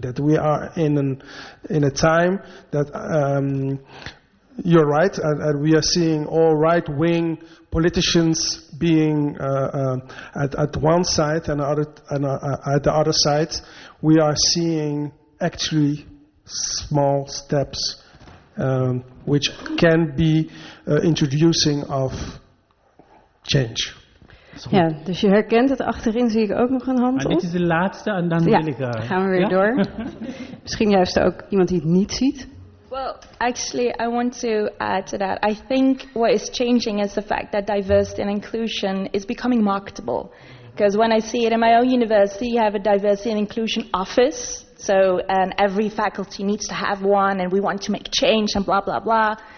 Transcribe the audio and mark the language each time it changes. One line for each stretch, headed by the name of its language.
English: That we are in a time that you're right, and we are seeing all right wing politicians being at one side and other and at the other side, we are seeing actually small steps which can be introducing of change.
Dutch: Ja, dus je herkent het. Achterin zie ik ook nog een hand op. Dit is de laatste en dan ja, wil ik daar. Gaan we weer door. Misschien juist ook iemand die het niet ziet.
English: Well, actually, I want to add to that. I think what is changing is the fact that diversity and inclusion is becoming marketable. Because when I see it in my own university, you have a diversity and inclusion office. So, and every faculty needs to have one, and we want to make change and blah, blah, blah.